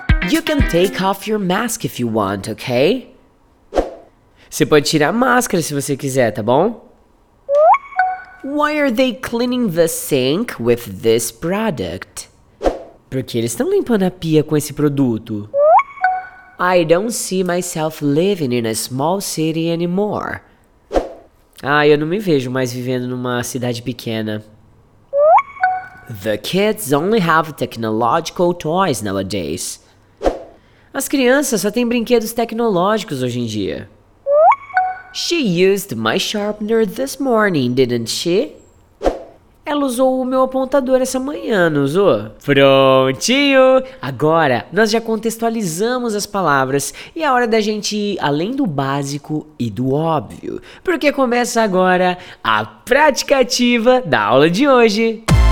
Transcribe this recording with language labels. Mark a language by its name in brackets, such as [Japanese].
[English] You can take off your mask if you want, okay? [Portuguese] Você pode tirar a máscara se você quiser, tá bom? [English] Why are they cleaning the sink with this product? [Portuguese] Porque eles estão limpando a pia com esse produto. [English] I don't see myself living in a small city anymore. [Portuguese] Ah, eu não me vejo mais vivendo numa cidade pequena. [English] The kids only have technological toys nowadays. [Portuguese] As crianças só têm brinquedos tecnológicos hoje em dia. [English] She used my sharpener this morning, didn't she? [Portuguese] Ela usou o meu apontador essa manhã, não usou? Prontinho! Agora, nós já contextualizamos as palavras e é hora da gente ir além do básico e do óbvio. Porque começa agora a prática ativa da aula de hoje.